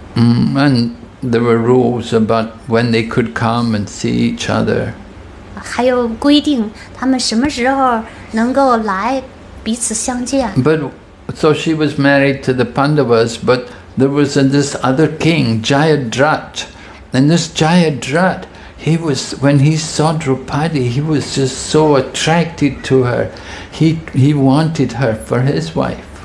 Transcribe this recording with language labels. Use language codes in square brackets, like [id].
[en] And there were rules about when they could come and see each other. [zh] 还有规定他们什么时候能够来彼此相见。 [en] But so she was married to the Pandavas, but there was this other king, Jayadrat. And this Jayadrat, he was, when he saw Draupadi, he was just so attracted to her. He wanted her for his wife.